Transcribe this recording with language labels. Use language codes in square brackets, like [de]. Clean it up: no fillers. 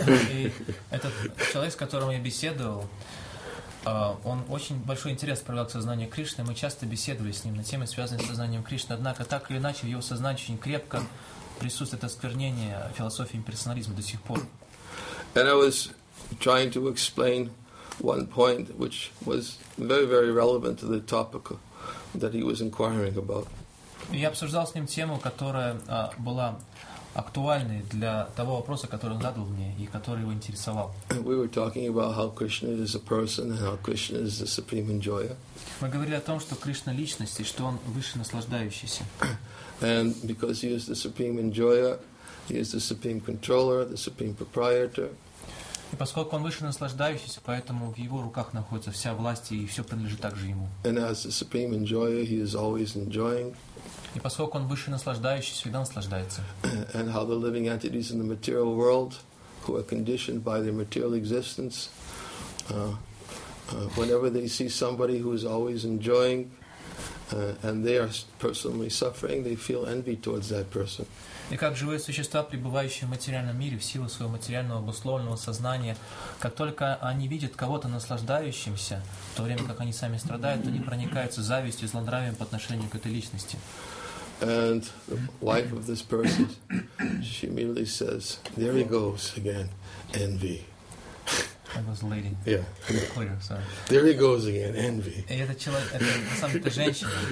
[ru] И этот человек, с которым я беседовал, он очень большой интерес проявлял к сознанию Кришны. Мы часто беседовали с ним на темы, связанные с сознанием Кришны. Однако, так или иначе, в его сознании очень крепко присутствует осквернение философии имперсонализма до сих пор. [en] And I was trying to explain one point which was very, very relevant to the topic that he was inquiring about. [ru] Я обсуждал с ним тему, которая была актуальной для того вопроса, который он задал мне и который его интересовал. [en] We were talking about how Krishna is a person and how Krishna is the supreme enjoyer. [ru] Мы говорили о том, что Кришна личность и что он высший наслаждающийся. [en] And because he is the supreme enjoyer, he is the supreme controller, the supreme proprietor. [ru] И поскольку он высший наслаждающийся, поэтому в его руках находится вся власть и все принадлежит также ему. [en] And as the supreme enjoyer, he is always enjoying. [ru] И поскольку он высший наслаждающийся, всегда наслаждается. [en] And how the living entities in the material world, who are conditioned by their material existence, whenever they see somebody who is always enjoying, and they are personally suffering, they feel envy towards that person. [ru] И как живые существа, пребывающие в материальном мире в силу своего материального обусловленного сознания, как только они видят кого-то наслаждающимся, в то время как они сами страдают, они проникаются завистью и злонравием по отношению к этой личности. [en] And the wife of this person, she immediately says, "There he goes again, envy." That was a lady. Yeah. Clear, sorry. There he goes again, envy. [ru] И это человек, на самом деле, женщина.